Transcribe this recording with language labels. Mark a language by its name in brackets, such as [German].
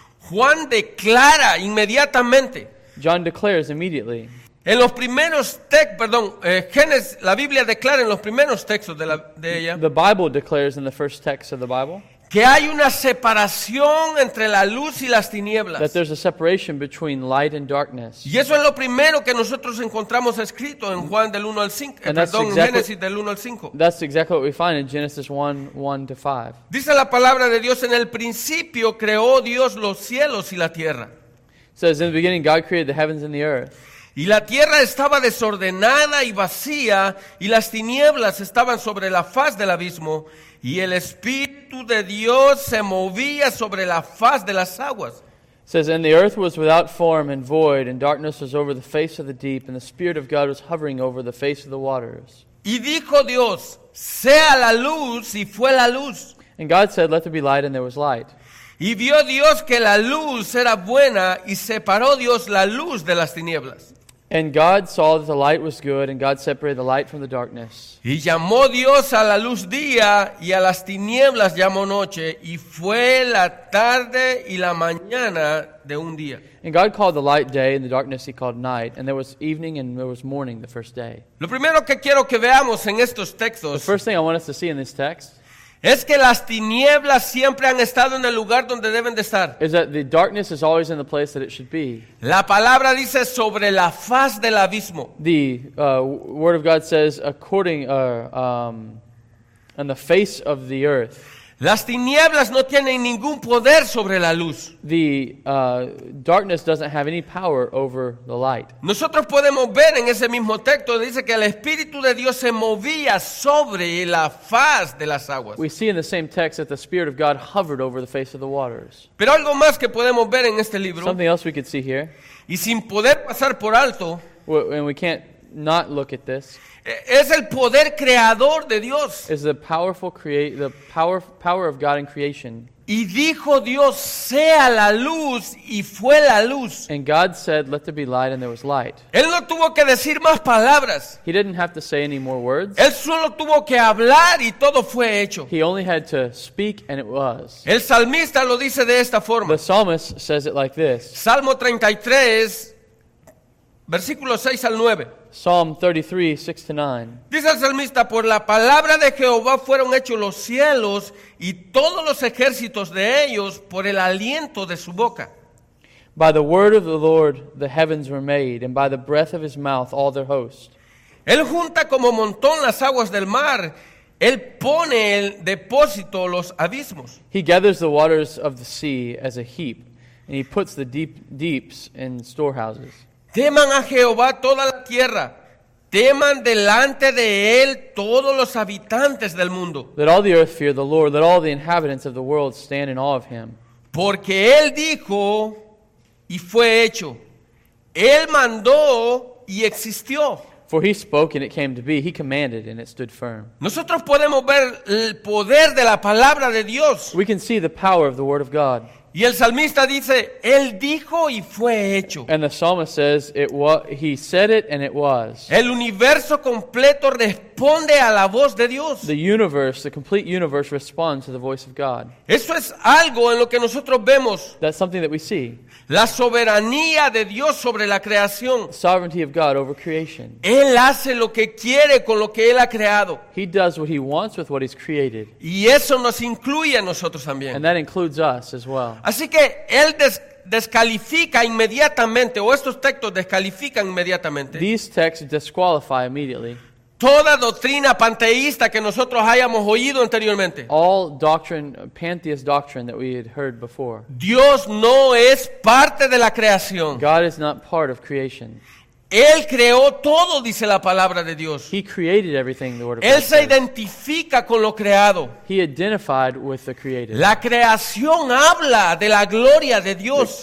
[Spanish] Juan declara inmediatamente. [English] John declares immediately. [Spanish] En los primeros Génesis, la Biblia declara en los primeros textos de ella. [English] The Bible declares in the first text of the Bible. [Spanish] Que hay una separación entre la luz y las tinieblas. [English] That there's a separation between light and darkness. [Spanish] Y eso es lo primero que nosotros encontramos escrito en Juan del 1 al 5. En Génesis del 1 al 5. [English] That's exactly what we find in Genesis 1:1-5. [Spanish] Dice la palabra de Dios, en el principio creó Dios los cielos y la tierra. [English] It says, in the beginning God created the heavens and the earth. [Spanish] Y la tierra estaba desordenada y vacía, y las tinieblas estaban sobre la faz del abismo, y el Espíritu de Dios se movía sobre la faz de las aguas. [English] It says, and the earth was without form and void, and darkness was over the face of the deep, and the Spirit of God was hovering over the face of the waters. [Spanish] Y dijo Dios, sea la luz, y fue la luz. [English] And God said, let there be light, and there was light. [Spanish] Y vio Dios que la luz era buena, y separó Dios la luz de las tinieblas. [English] And God saw that the light was good, and God separated the light from the darkness. [Spanish] Y llamó Dios a la luz día, y a las tinieblas llamó noche, y fue la tarde y la mañana de un día. [English] And God called the light day, and the darkness he called night, and there was evening and there was morning the first day. [Spanish] Lo primero que quiero que veamos en estos textos, [English] the first thing I want us to see in this text, [Spanish] es que las tinieblas siempre han estado en el lugar donde deben de estar. [English] Is that the darkness is always in the place that it should be. [Spanish] La palabra dice sobre la faz del abismo. [English] The word of God says according on the face of the earth. [Spanish] Las tinieblas no tienen ningún poder sobre la luz. [English] The darkness doesn't have any power over the light. [Spanish] Nosotros podemos ver en ese mismo texto, dice que el Espíritu de Dios se movía sobre la faz de las aguas. [English] We see in the same text that the Spirit of God hovered over the face of the waters. [Spanish] Pero algo más que podemos ver en este libro, [English] something else we could see here, [Spanish] y sin poder pasar por alto, [English] and we can't not look at this, [Spanish] es el poder creador de Dios. [English] Is the powerful power of God in creation. [Spanish] Y dijo Dios, sea la luz, y fue la luz. [English] And God said, let there be light, and there was light. [Spanish] Él no tuvo que decir más palabras. [English] He didn't have to say any more words. [Spanish] Él solo tuvo que hablar, y todo fue hecho. [English] He only had to speak, and it was. [Spanish] El salmista lo dice de esta forma. [English] The psalmist says it like this. [Spanish] Salmo 33, versículos 6 al 9. [English] Psalm 33:6-9. [Spanish] Dice el salmista, por la palabra de Jehová fueron hechos los cielos y todos los ejércitos de ellos por el aliento de su boca. [English] By the word of the Lord the heavens were made, and by the breath of his mouth all their host. [Spanish] Él junta como montón las aguas del mar, él pone el depósito los abismos. [English] He gathers the waters of the sea as a heap, and he puts the deeps in storehouses. [Spanish] Teman a Jehová toda la tierra. Teman delante de él todos los habitantes del mundo. [English] Let all the earth fear the Lord. Let all the inhabitants of the world stand in awe of him. [Spanish] Porque él dijo y fue hecho. Él mandó y existió. [English] For he spoke and it came to be. He commanded and it stood firm. [Spanish] Nosotros podemos ver el poder de la palabra de Dios. [English] We can see the power of the word of God. [Spanish] Y el salmista dice, él dijo y fue hecho. [English] And the psalmist says, it was, he said it and it was. [Spanish] El universo completo responde a la voz de Dios. [English] The universe, the complete universe responds to the voice of God. [Spanish] Eso es algo en lo que nosotros vemos. [English] That's something that we see. [Spanish] La soberanía de Dios sobre la creación. [English] Sovereignty of God over creation. [Spanish] Él hace lo que quiere con lo que Él ha creado. [English] He does what He wants with what He's created. [Spanish] Y eso nos incluye a nosotros también. [English] And that includes us as well. [Spanish] Así que Él descalifica inmediatamente, o estos textos descalifican inmediatamente. [English] These texts disqualify immediately. [Spanish] Toda doctrina panteísta que nosotros hayamos oído anteriormente. [English] All doctrine, pantheist doctrine that we had heard before. [Spanish] Dios no es parte de la creación. [English] God is not part of creation. [Spanish] Él creó todo, dice la palabra de Dios. [English] He created everything, the word of [Spanish] Él se [English] says. [Spanish] Identifica con lo creado. [English] He identified with the created. [Spanish] La creación habla de la gloria de Dios.